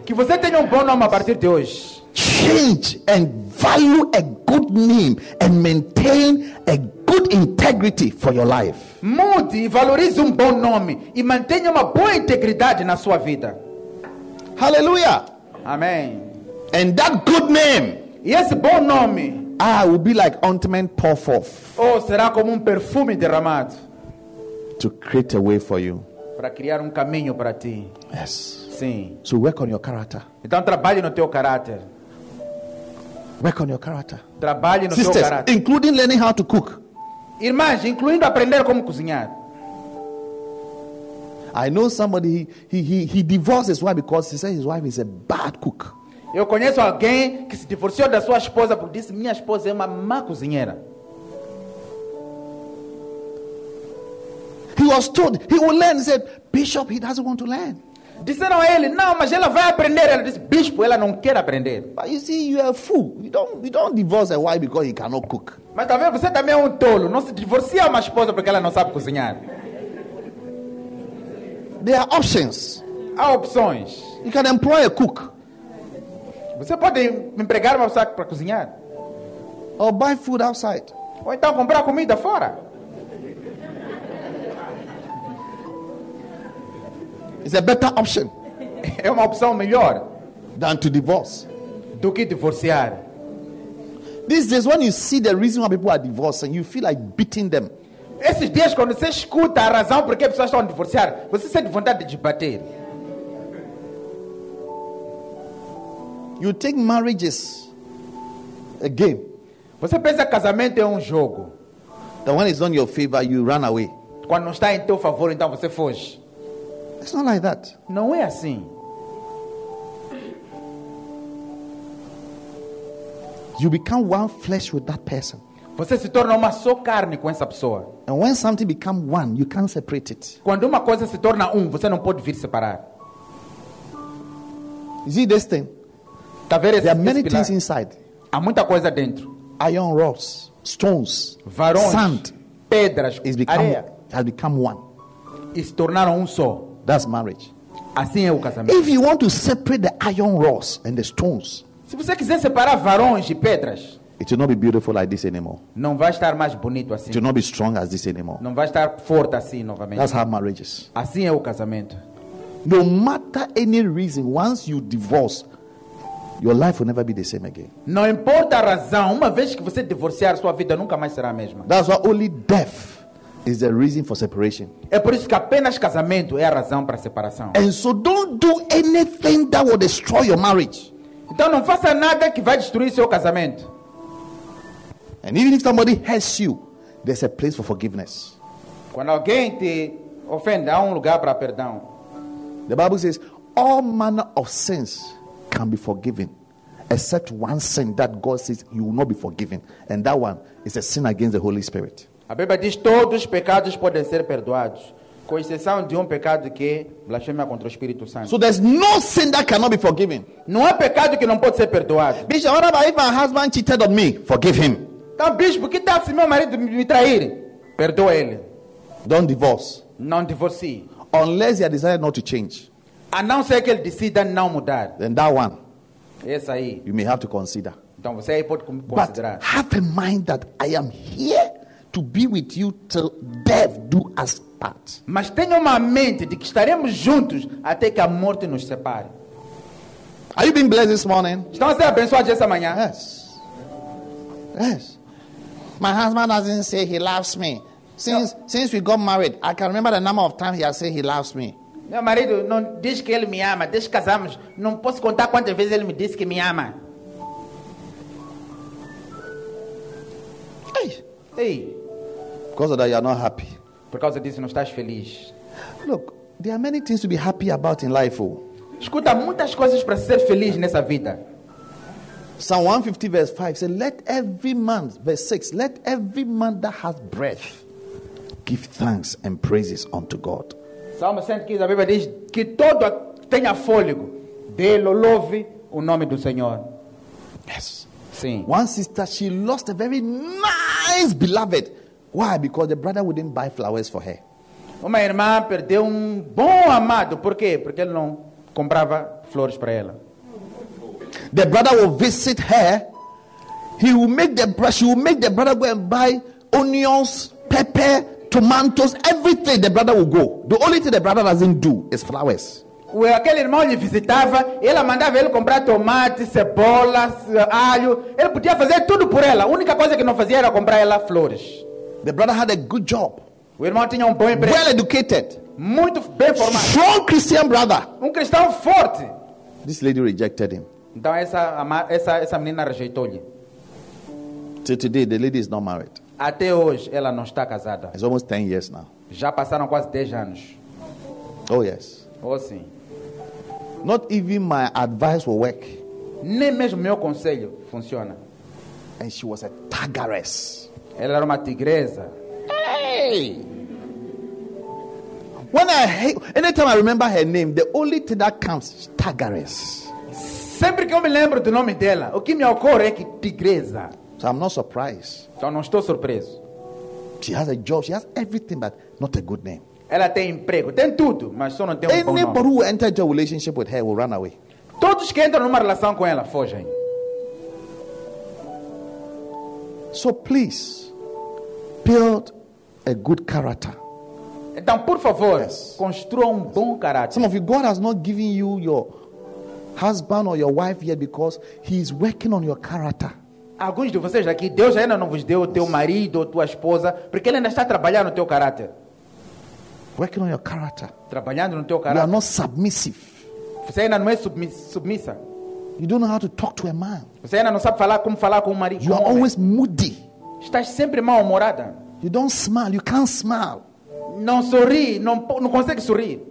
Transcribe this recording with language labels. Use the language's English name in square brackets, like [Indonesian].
[Portuguese] Que você tenha um bom nome a partir de hoje. [English] Change and value a good name and maintain a good integrity for your life. [Portuguese] Mude e valorize um bom nome e mantenha uma boa integridade na sua vida. [English] Hallelujah. [Portuguese] Amen. [English] And that good name. [Portuguese] E esse bom nome. [English] Ah, will be like ointment poured forth. [Portuguese] Oh, será como perfume derramado. [English] To create a way for you. [Portuguese] Para criar caminho para ti. [English] Yes. [Portuguese] Sim. [English] So work on your character. [Portuguese] Então trabalhe no teu caráter. [English] Work on your character. [Portuguese] Trabalhe no [English] Sisters, [Portuguese] teu caráter. [English] Including learning how to cook. [Portuguese] Irmãs, incluindo aprender como cozinhar. [English] I know somebody he divorced his wife because he said his wife is a bad cook. [Portuguese] Eu conheço alguém que se divorciou da sua esposa porque disse minha esposa é uma má cozinheira. [English] He was told he will learn. He said, Bishop, he doesn't want to learn. [Portuguese] Disseram a ele, não, mas ela vai aprender. Ela disse, Bispo, ela não quer aprender. [English] But you see, you are a fool. You don't divorce a wife because he cannot cook. [Portuguese] Mas talvez você também é tolo. Não se divorcia uma esposa porque ela não sabe cozinhar. [English] There are options. [Portuguese] Há opções. [English] You can employ a cook. [Portuguese] Você pode empregar uma pessoa para cozinhar. [English] Or buy food outside. [Portuguese] Ou então comprar comida fora. [English] It's a better option. [Portuguese] É uma opção melhor. [English] Than to divorce. [Portuguese] Do que divorciar. [English] These days, when you see the reason why people are divorcing, you feel like beating them. [Portuguese] Esses dias, quando você escuta a razão por que as pessoas estão a divorciar, você sente vontade de bater. [English] You think marriage is a game. [Portuguese] Você pensa que casamento é jogo. [English] That when it's on your favor, you run away. [Portuguese] Quando não está em teu favor, então você foge. [English] It's not like that. [Portuguese] Não é assim. [English] You become one flesh with that person. [Portuguese] Você se torna uma só carne com essa pessoa. [English] And when something become one, you can't separate it. [Portuguese] Quando uma coisa se torna você não pode vir separar. [English] You see this thing? There are many things inside. [Portuguese] Há muita coisa dentro. [English] Iron rods, stones, [Portuguese] varões, [English] sand, [Portuguese] pedras, [English] has become one. [Portuguese] E se tornaram só. [English] That's marriage. [Portuguese] Assim é o casamento. [English] If you want to separate the iron rods and the stones, [Portuguese] se você quiser separar varões e pedras, [English] it will not be beautiful like this anymore. [Portuguese] Não vai estar mais bonito assim. [English] It will not be strong as this anymore. [Portuguese] Não vai estar forte assim novamente. [English] That's how marriage is. [Portuguese] Assim é o casamento. [English] No matter any reason, once you divorce, your life will never be the same again. [Portuguese] Não importa a razão, uma vez que você divorciar, sua vida nunca mais será a mesma. [English] That's why only death is the reason for separation. [Portuguese] É por isso que apenas casamento é a razão para a separação. [English] And so don't do anything that will destroy your marriage. [Portuguese] Então não faça nada que vai destruir seu casamento. [English] And even if somebody hurts you, there's a place for forgiveness. [Portuguese] Quando alguém te ofende, há lugar para perdão. [English] The Bible says, all manner of sins can be forgiven, except one sin that God says you will not be forgiven. And that one is a sin against the Holy Spirit. [Portuguese] A Bíblia diz, todos os pecados podem ser perdoados, com exceção de pecado que blasfêmia contra o Espírito Santo. [English] So there's no sin that cannot be forgiven. [Portuguese] Não há pecado que não pode ser perdoado. [English] Bishop, what about if my husband cheated on me? Forgive him. [Portuguese] Então, bispo, que tal se meu marido me trair? Perdoa ele. [English] Don't divorce. [Portuguese] Não divorcie. [English] Unless you desire not to change. [Portuguese] A não ser que ele decida não mudar. [English] Then that one. [Portuguese] Esse aí. [English] You may have to consider. [Portuguese] Então, você aí pode considerar. [English] But have a mind that I am here to be with you till death do us part. [Portuguese] Mas tenha uma mente de que estaremos juntos até que a morte nos separe. [English] Are you being blessed this morning? [Portuguese] Estão sendo abençoados essa manhã? [English] Yes. Yes. My husband doesn't say he loves me. Since we got married, I can remember the number of times he has said he loves me. [Portuguese] Meu marido não diz que ele me ama. Desde que casamos, não posso contar quantas vezes ele me disse que me ama. Hey. Hey. [English] Because of that, you are not happy. [Portuguese] Por causa disso, não estás feliz. [English] Look, there are many things to be happy about in life. Oh. [Portuguese] Escuta, muitas coisas para ser feliz nessa vida. [English] Psalm 150 verse 5 says, let every man, verse 6, let every man that has breath give thanks and praises unto God. [Portuguese] Psalm 115, a Bíblia diz que todo tenha fôlego, dê louve o nome do Senhor. [English] Yes. [Portuguese] Sim. [English] One sister, she lost a very nice beloved. Why? Because the brother wouldn't buy flowers for her. Uma irmã perdeu bom amado. Por quê? Porque ele não comprava flores para ela. The brother will visit her. He will make the brush. He will make the brother go and buy onions, pepper, tomatoes, everything. The brother will go. The only thing the brother doesn't do is flowers. [Portuguese] Well, aquele irmão lhe visitava. Ela mandava ele comprar tomate, cebola, alho. Ele podia fazer tudo por ela. A única coisa que não fazia era comprar ela flores. [English] The brother had a good job. [Portuguese] O irmão tinha bom emprego. [English] Well educated. [Portuguese] Muito bem formado. [English] Strong Christian brother. [Portuguese] Cristão forte. [English] This lady rejected him. [Portuguese] Então essa menina rejeitou-lhe. [English] Till today, the lady is not married. [Portuguese] Até hoje ela não está casada. [English] It's almost 10 years now. [Portuguese] Já passaram quase 10 anos. [English] Oh yes. [Portuguese] Oh sim. [English] Not even my advice will work. [Portuguese] Nem mesmo meu conselho funciona. [English] And she was a tigress. [Portuguese] Ela era uma tigresa. Hey! [English] When anytime I remember her name, the only thing that comes is tigress. [Portuguese] Sempre que eu me lembro do nome dela, o que me ocorre é que tigresa. [English] So I'm not surprised. [Portuguese] Então não estou surpreso. [English] She has a job, she has everything, but not a good name. [Portuguese] Ela tem emprego, tem tudo, mas só não tem um bom nome. [English] Anybody who enters into a relationship with her will run away. [Portuguese] Todos que entram numa relação com ela fogem. [English] So please, build a good character. [Portuguese] Então por favor, yes, construa um bom caráter. [English] Some of you, God has not given you your husband or your wife yet because he is working on your character. [Portuguese] Alguns de vocês aqui, Deus ainda não vos deu o teu marido ou tua esposa, porque ele ainda está trabalhando no teu caráter. [English] Working on your character. [Portuguese] Trabalhando no teu caráter. [English] You are not submissive. [Portuguese] Você ainda não é submissa. [English] You don't know how to talk to a man. [Portuguese] Você ainda não sabe falar como falar com um marido. [English] You are always moody. [Portuguese] Estás sempre mal-humorada. [English] You don't smile, you can't smile. [Portuguese] Não sorri, não consegue sorrir.